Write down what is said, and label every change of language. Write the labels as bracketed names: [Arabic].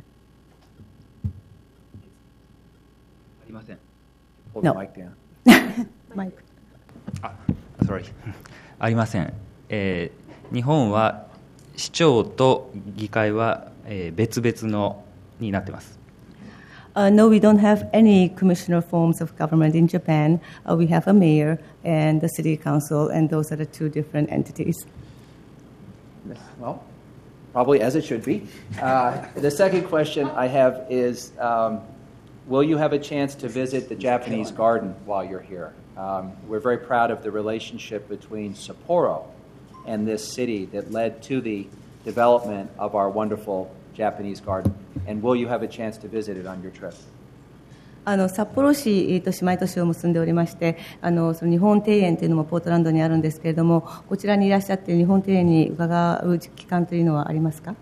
[Japanese] ありません。No. マイク。マイク。あ、sorry。ありません。日本は市長と議会は別々のになってます。 [English] No, we don't have any commissioner forms of government in Japan. We have a mayor and the city council, and those are the two different entities. Well, probably as it should be. The second question I have is, will you have a chance to visit the Japanese garden while you're here? We're very proud of the relationship between Sapporo and this city that led to the development of our wonderful Japanese garden. And will you have a chance to visit it on your trip? [Japanese] 札幌市と姉妹都市を結んでおりまして、その日本庭園というのもポートランドにあるんですけれども、こちらにいらっしゃって日本庭園に伺う期間というのはありますか？